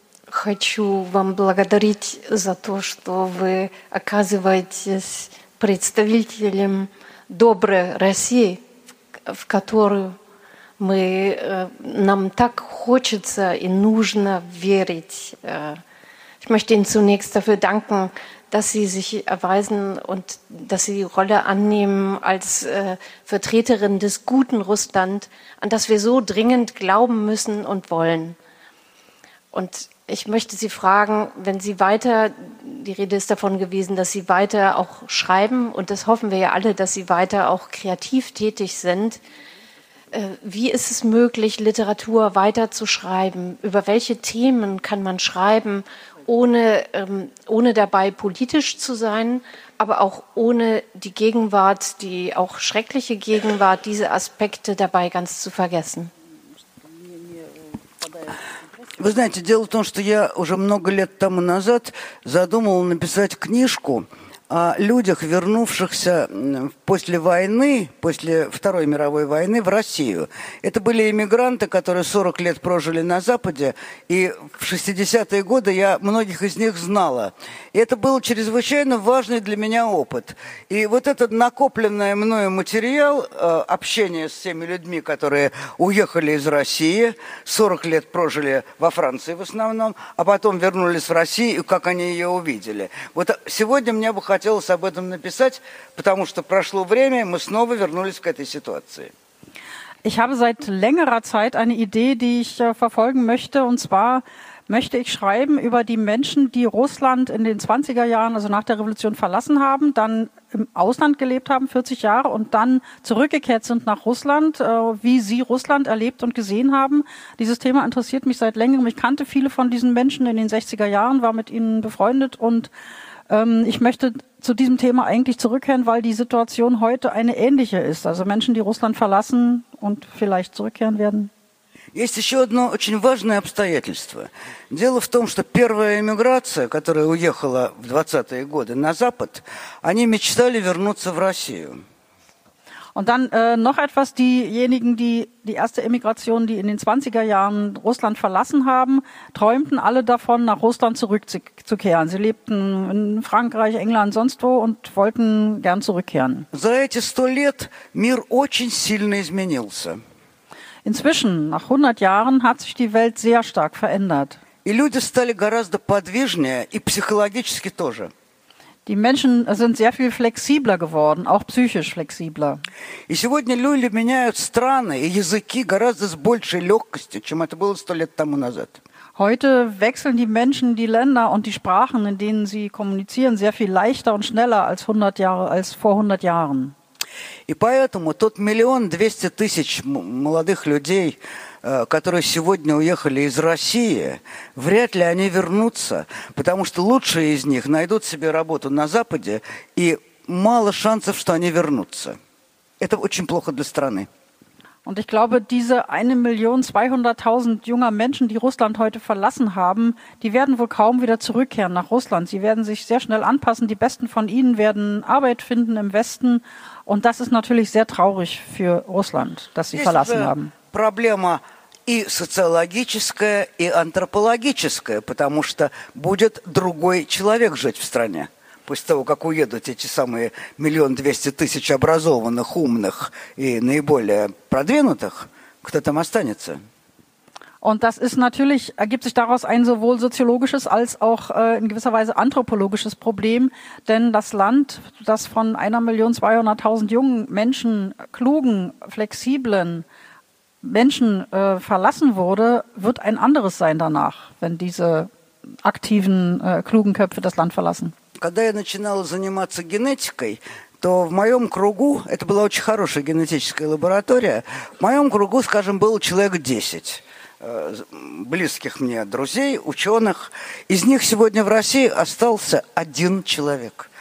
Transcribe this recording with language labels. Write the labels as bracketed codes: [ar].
[ru] Хочу вам благодарить за то, что вы оказываетесь представителем доброй России, в которую мы, нам так хочется и нужно верить. [de] Ich möchte Ihnen zunächst dafür danken, dass Sie sich erweisen und dass Sie die Rolle annehmen als Vertreterin des guten Russland, an das wir so dringend glauben müssen und wollen. Und ich möchte Sie fragen, wenn Sie weiter, die Rede ist davon gewesen, dass Sie weiter auch schreiben, und das hoffen wir ja alle, dass Sie weiter auch kreativ tätig sind. Wie ist es möglich, Literatur weiter zu schreiben? Über welche Themen kann man schreiben, ohne dabei politisch zu sein, aber auch ohne die Gegenwart, die auch schreckliche Gegenwart, diese Aspekte dabei ganz zu vergessen? [ru] Вы знаете, дело в том, что я уже много лет тому назад задумал написать книжку о людях, вернувшихся после войны, после Второй мировой войны в Россию. Это были эмигранты, которые 40 лет прожили на Западе, и в 60-е годы я многих из них знала. И это был чрезвычайно важный для меня опыт. И вот этот накопленный мною материал общения с теми людьми, которые уехали из России, 40 лет прожили во Франции в основном, а потом вернулись в Россию, как они ее увидели. Вот сегодня мне бы хотелось об этом написать, потому что прошло время, мы снова вернулись к этой ситуации. [de] Ich habe seit längerer Zeit eine Idee, die ich verfolgen möchte, und zwar möchte ich schreiben über die Menschen, die Russland in den 20er Jahren, also nach der Revolution, verlassen haben, dann im Ausland gelebt haben, 40 Jahre, und dann zurückgekehrt sind nach Russland, wie sie Russland erlebt und gesehen haben. Dieses Thema interessiert mich seit längerem. Ich kannte viele von diesen Menschen in den 60er Jahren, war mit ihnen befreundet, und ich möchte zu diesem Thema eigentlich zurückkehren, weil die Situation heute eine ähnliche ist. Also Menschen, die Russland verlassen und vielleicht zurückkehren werden. [ru] Есть еще одно очень важное обстоятельство. Дело в том, что первая эмиграция, которая уехала в 20-е годы на Запад, они мечтали вернуться в Россию. [de] Und dann noch etwas, diejenigen, die die erste Emigration, die in den 20er Jahren Russland verlassen haben, träumten alle davon, nach Russland zurückzukehren. Sie lebten in Frankreich, England, sonst wo und wollten gern zurückkehren. [ru] За эти 100 лет мир очень сильно изменился. [de] Inzwischen, nach 100 Jahren, hat sich die Welt sehr stark verändert. [ru] И люди стали гораздо подвижнее, и психологически тоже. [de] Die Menschen sind sehr viel flexibler geworden, auch psychisch flexibler. [ru] И сегодня люди меняют страны и языки гораздо с большей легкостью, чем это было 100 лет тому назад. [de] Heute wechseln die Menschen die Länder und die Sprachen, in denen sie kommunizieren, sehr viel leichter und schneller als 100 Jahre, als vor 100 Jahren. [ru] И поэтому тот 1 200 000 молодых людей, которые сегодня уехали из России, вряд ли они вернутся, потому что лучшие из них найдут себе работу на Западе, и мало шансов, что они вернутся. Это очень плохо для страны. [de] Und ich glaube, diese 1 200 000 junger Menschen, die Russland heute verlassen haben, die werden wohl kaum wieder zurückkehren nach Russland. Sie werden sich sehr schnell anpassen. Die besten von ihnen werden Arbeit finden im Westen. Und das ist natürlich sehr traurig für Russland, dass sie verlassen haben. [ru] Проблема и социологическая, и антропологическая, потому что будет другой человек жить в стране. После того, как уедут эти самые 1 200 000 образованных, умных и наиболее продвинутых, кто там останется? [de] Und das ist natürlich, ergibt sich daraus ein sowohl soziologisches als auch in gewisser Weise anthropologisches Problem, denn das Land, das von 1 200 000 jungen Menschen, klugen, flexiblen Menschen verlassen wurde, wird ein anderes sein danach, wenn diese aktiven, klugen Köpfe das Land verlassen. [ru] Когда я начинал заниматься генетикой, то в моем кругу, это была очень хорошая генетическая лаборатория, в моем кругу, скажем, было человек 10. близких мне друзей, ученых. Из них сегодня в России остался один человек.